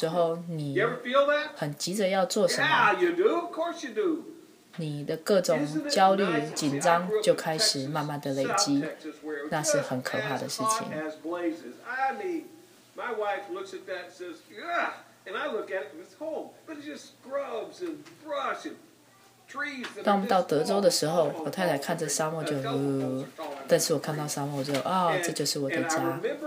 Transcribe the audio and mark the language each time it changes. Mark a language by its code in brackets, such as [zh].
[zh] 有时候你很急着要做什么。 [en] Yeah, you do, of course you do. [zh] 你的各种焦虑、紧张就开始慢慢的累积，那是很可怕的事情。 [en] As blazes. I mean, my wife looks at that and says, yeah, and I look at it from home, but it's just scrubs and brush and... [zh] 当我们到德州的时候，我太太看着沙漠就但是我看到沙漠就啊、哦，这就是我的家。